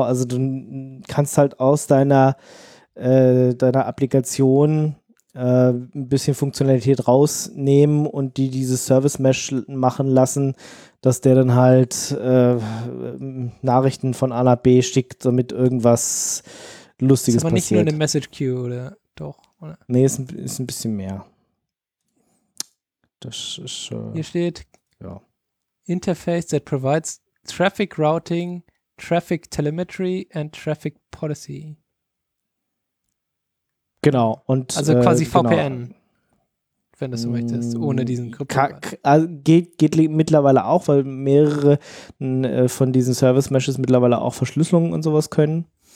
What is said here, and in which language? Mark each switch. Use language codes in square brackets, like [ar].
[de] Also du kannst halt aus deiner Applikation ein bisschen Funktionalität rausnehmen und die dieses Service Mesh machen lassen, dass der dann halt Nachrichten von A nach B schickt, damit irgendwas Lustiges passiert. Ist aber nicht nur eine Message Queue, oder? Doch, oder? Nee, ist ein bisschen mehr. Das ist Hier steht, ja. [en] Interface that provides Traffic Routing, Traffic Telemetry and Traffic Policy. [de] Genau. Und, also quasi VPN. Genau. Wenn du so möchtest, ohne diesen Krypto. Geht mittlerweile auch, weil mehrere von diesen Service Meshes mittlerweile auch Verschlüsselungen und sowas können.